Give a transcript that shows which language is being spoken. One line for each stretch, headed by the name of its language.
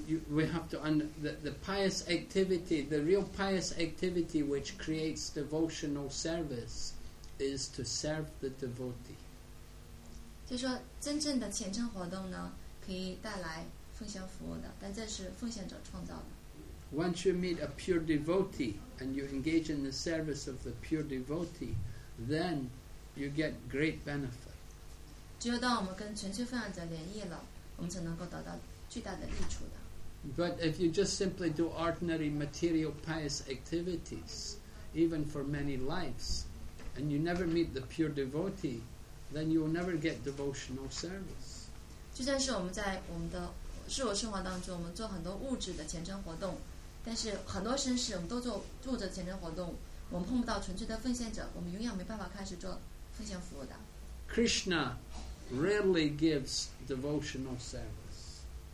English: The pious activity, the real pious activity which creates devotional service, is to serve the devotee.
Chinese: 就说真正的虔诚活动呢，可以带来奉献服务的，但这是奉献者创造的。
English: Once you meet a pure devotee and you engage in the service of the pure devotee, then you get great benefit.
Chinese: 只有当我们跟纯粹奉献者联谊了，我们才能够得到巨大的益处的。
English: But if you just simply do ordinary material pious activities, even for many lives, and you never meet the pure devotee, then you will never get devotional service.
Chinese: 就算是我们在我们的自我生活当中，我们做很多物质的虔诚活动，但是很多绅士我们都做物质的虔诚活动，我们碰不到纯粹的奉献者，我们永远没办法开始做奉献服务的。
English: Krishna rarely gives devotional service.